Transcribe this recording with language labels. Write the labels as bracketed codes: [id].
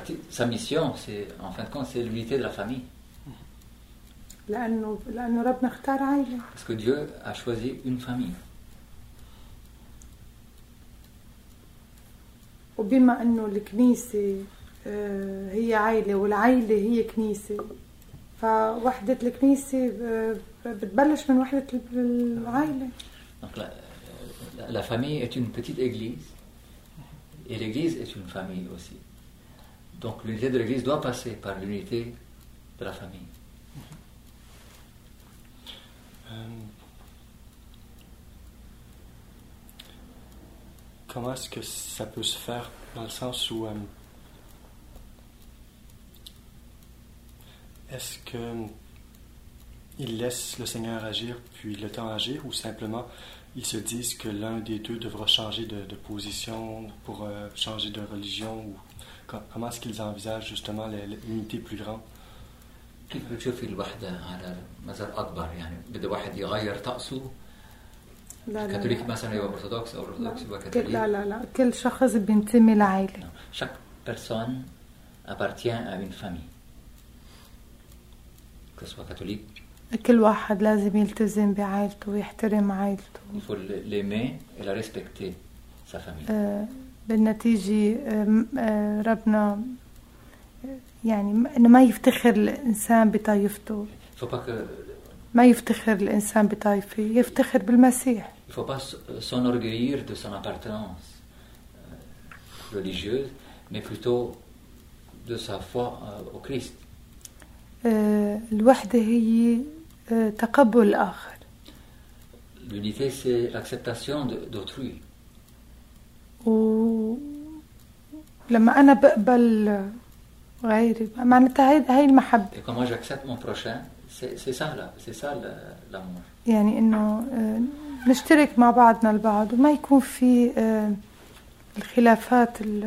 [fr] Sa mission, c'est en fin de compte, c'est l'unité de la famille. [ar] لأنه ربنا اختار عائلة. [fr] Parce que Dieu a choisi une famille. [ar] وبما إنه الكنيسة هي عائلة والعائلة هي كنيسة فوحدة الكنيسة بتبلش من وحدة العائلة. [fr] Donc la famille est une petite église et l'église est une famille aussi. Donc l'unité de l'église doit passer par l'unité de la famille. Comment est-ce que ça peut se faire dans le sens où est-ce qu'ils laissent le Seigneur agir, puis le temps agir, ou simplement ils se disent que l'un des deux devra changer de position pour changer de religion, ou comment est-ce qu'ils envisagent justement l'unité plus grande? [ar] كيف بتشوف الوحدة على مزار أكبر يعني بده واحد يغير طقسه كاثوليك مثلا يبقى أرثوذكس أو أرثوذكس يبقى كاثوليك لا لا لا كل شخص بينتمي لعائلة. [fr] Chaque personne appartient à une famille. [ar] كل واحد لازم يلتزم بعائلته ويحترم عائلته. يفول لمه إلى رеспекتي سفامي. بالنتيجة ربنا يعني إنه ما يفتخر الإنسان بطائفته. ما يفتخر الإنسان بطائفه يفتخر بالمسيح. [fr] يفول pas s'enorgueillir de son appartenance religieuse mais plutôt de sa foi au Christ. [ar] الوحدة هي تقبل الآخر. [fr] L'unité c'est l'acceptation d'autrui. [ar] و لما أنا بقبل غيري معناتها هي المحبة. [fr] Et quand moi j'accepte mon prochain, c'est ça là, c'est ça l'amour. [ar] يعني إنه نشترك مع بعضنا البعض وما يكون في الخلافات.